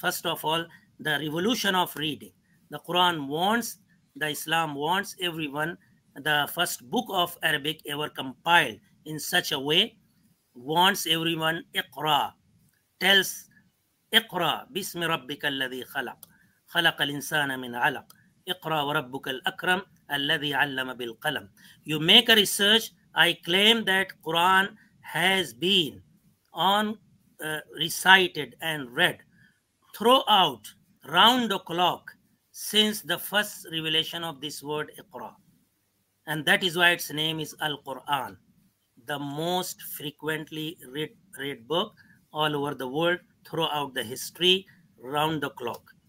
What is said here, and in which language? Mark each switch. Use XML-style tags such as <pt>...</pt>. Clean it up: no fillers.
<en>First of all, the revolution of reading. The Quran wants, the Islam wants everyone, the first book of Arabic ever compiled in such a way, wants everyone, Iqra, tells Iqra,</en> <ar>Bismi Rabbika alladhi khalaq. خلق الانسان من علق اقرا وربك الاكرم الذي علم بالقلم.</ar> <en>You make a research. I claim that Quran has been on recited and read throughout round the clock since the first revelation of this word اقرأ, and that is why its name is Al-Quran, the most frequently read book all over the world throughout the history round the clock.</en>